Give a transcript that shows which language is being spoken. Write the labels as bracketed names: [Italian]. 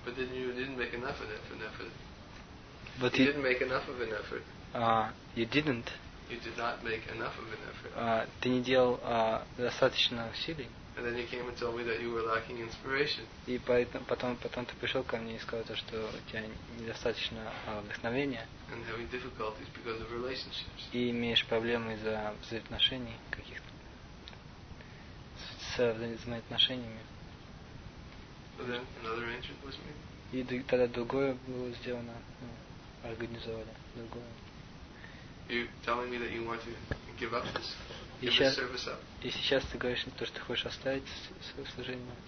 [English] But then you didn't make enough of an effort. But you didn't make enough of an effort. You didn't. You did not make enough of an effort. [Russian] Ты не делал достаточно усилий. [English] And then you came and told me that you were lacking inspiration. [Russian] И потом ты пришел ко мне и сказал то, что у тебя недостаточно вдохновения. [English] And having difficulties because of relationships. [Russian] И имеешь проблемы из-за взаимоотношений каких-то с взаимоотношениями. [English] Then another arrangement was made. [Russian] И тогда другое было сделано, организовали другое. [English] You're telling me that you want to give up this, give this service up. [Russian] И сейчас ты говоришь мне то, что хочешь оставить свое служение.